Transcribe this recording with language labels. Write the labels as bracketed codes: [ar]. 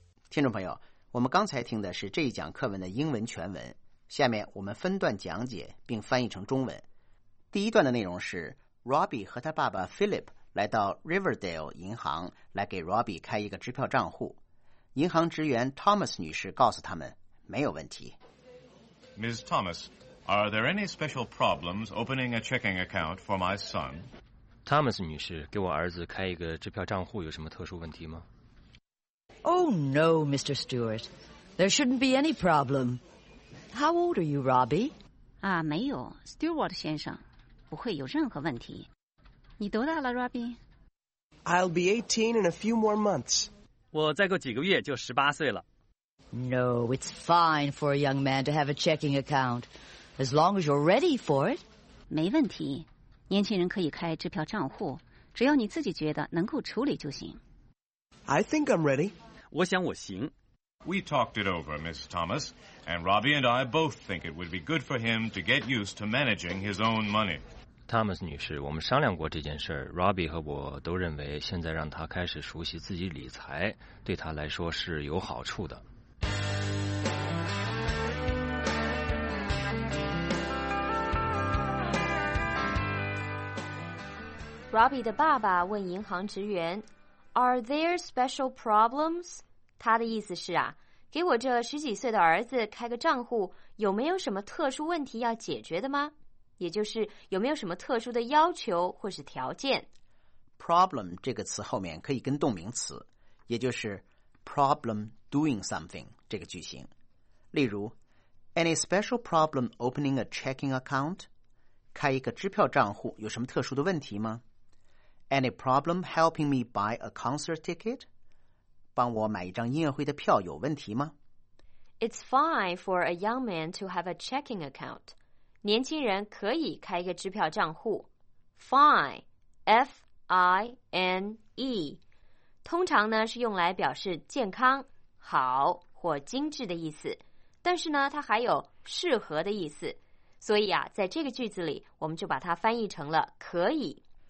[zh] 听众朋友，我们刚才听的是这一讲课文的英文全文，下面我们分段讲解并翻译成中文。第一段的内容是 Robbie 和他爸爸 Philip 来到 Riverdale 银行来给 Robbie 开一个支票账户。银行职员 Thomas 女士告诉他们没有问题。 [en] Ms. Thomas, are there any special problems opening a checking account for my son? [zh] Thomas 女士，给我儿子开一个支票账户有什么特殊问题吗？ [en] Oh, no, Mr. Stewart. There shouldn't be any problem. How old are you, Robbie? [zh] 啊，没有 ,Stewart 先生，不会有任何问题。你多大了 ,Robbie? [en] I'll be 18 in a few more months. [zh] 我再过几个月就18岁了。 [en] No, it's fine for a young man to have a checking account, as long as you're ready for it. [zh] 没问题，年轻人可以开支票账户，只要你自己觉得能够处理就行。 [en] I think I'm ready. [zh] 我想我行。 [en] We talked it over, Mrs. Thomas, and Robbie and I both think it would be good for him to get used to managing his own money. [zh] Thomas 女士，我们商量过这件事儿。Robbie 和我都认为，现在让他开始熟悉自己理财，对他来说是有好处的。 Robbie 的爸爸问银行职员。 [en] Are there special problems? [zh] 他的意思是啊，给我这十几岁的儿子开个账户，有没有什么特殊问题要解决的吗？也就是有没有什么特殊的要求或是条件？ Problem 这个词后面可以跟动名词，也就是 [en] problem doing something [zh] 这个句型。例如 [en] ，Any special problem opening a checking account? [zh] 开一个支票账户有什么特殊的问题吗？ [en] Any problem helping me buy a concert ticket? [zh] 帮我买一张音乐会的票有问题吗？ [en] It's fine for a young man to have a checking account. [zh] 年轻人可以开一个支票账户。 [en] Fine, F-I-N-E. [zh] 通常呢是用来表示健康、好或精致的意思。但是呢它还有适合的意思。所以啊在这个句子里我们就把它翻译成了可以。